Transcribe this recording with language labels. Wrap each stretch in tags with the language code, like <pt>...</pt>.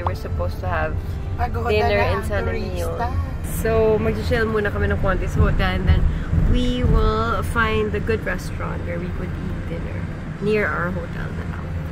<en>We were supposed to have dinner and some meals.</en> <tl>So mag-chill muna kami ng konti sa hotel.</tl> <en>And then we will find a good restaurant where we could eat dinner near our hotel now.</en>